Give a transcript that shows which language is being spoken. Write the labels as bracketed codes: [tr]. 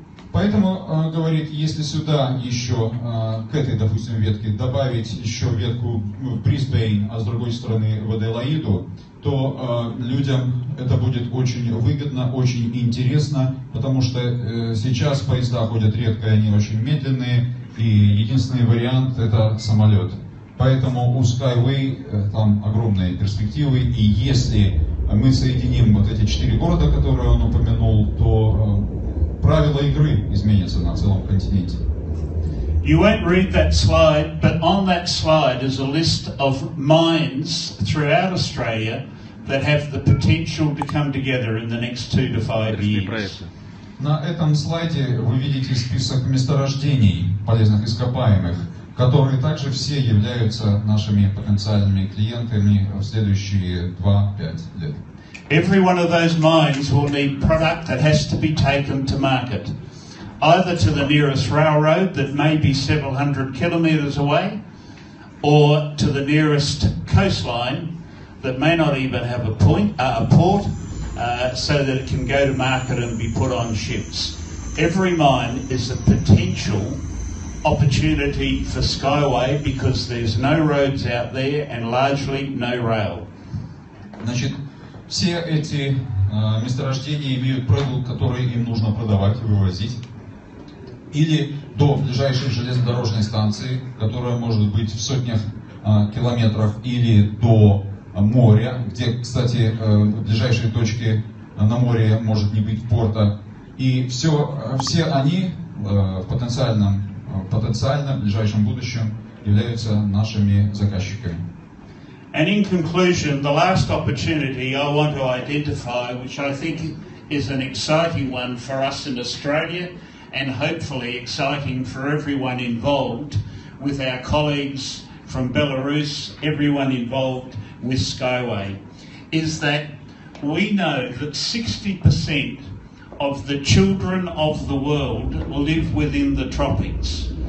[ru] Поэтому, говорит, если сюда еще, к этой, допустим, ветке добавить еще ветку Брисбейн, а с другой стороны в Аделаиду, то людям это будет очень выгодно, очень интересно, потому что сейчас поезда ходят редко, они очень медленные, и единственный вариант – это самолет. Поэтому у Skyway там огромные перспективы, и если мы соединим вот эти четыре города, которые он упомянул, то правила игры изменятся на целом континенте. [en] You won't read that slide, but on that slide is a list of mines throughout Australia that have the potential to come together in the next 2 to 5 years. [ru] На этом слайде вы видите список месторождений полезных ископаемых, которые также все являются нашими потенциальными клиентами в следующие 2-5 лет. [en] Every one of those mines will need product that has to be taken to market, either to the nearest railroad that may be several hundred kilometres away, or to the nearest coastline that may not even have a port, so that it can go to market and be put on ships. Every mine is a potential opportunity for Skyway because there's no roads out there and largely no rail. [ru] Значит, все эти месторождения имеют продукт, который им нужно продавать и вывозить, или до ближайшей железнодорожной станции, которая может быть в сотнях километров, или до моря, где, кстати, ближайшие точки на море может не быть порта. И все они в потенциально ближайшем будущем являются нашими заказчиками. [en] And in conclusion, the last opportunity I want to identify, which I think is an exciting one for us in Australia, and hopefully exciting for everyone involved with our colleagues from Belarus, everyone involved with Skyway, is that we know that 60% of the children of the world live within the tropics.